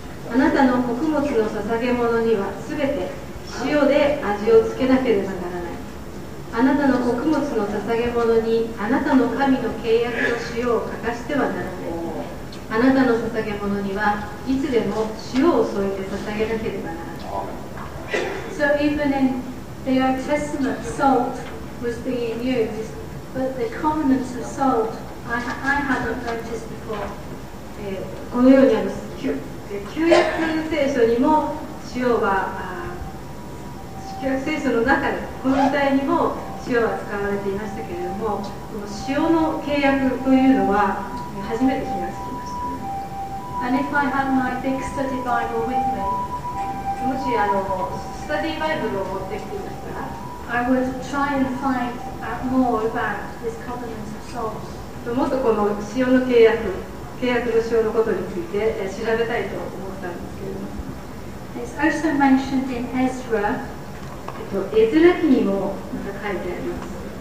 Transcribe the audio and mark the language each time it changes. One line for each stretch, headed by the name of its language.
Japanese: あなたの穀物の捧げ物にはすべて塩で味をつけなければならない。あなたの穀物の捧げ物にあなたの神の契約の塩を欠かしてはならない。あなたの捧げ物にはいつでも塩を添えて捧げなければならない。
English: So even in the Old Testament, salt was being used, but the covenants of salt I hadn't noticed before.
Japanese: このようにあります。旧約聖書にも塩は、旧約聖書の中でこの時代にも塩は使われていましたけれども、この塩の契約というのは初めて気がつきました。
English: And if I had my big study Bible with me,
Japanese: もしスタディバイブルを持ってきていましたら、
English: I would try and find out more about this covenant of souls.
Japanese: もっとこの塩の契約の塩のことについて調べたいと思ったんですけれども、
English: It's also mentioned in Ezra.
Japanese: エズラ記にもまた書いてあります。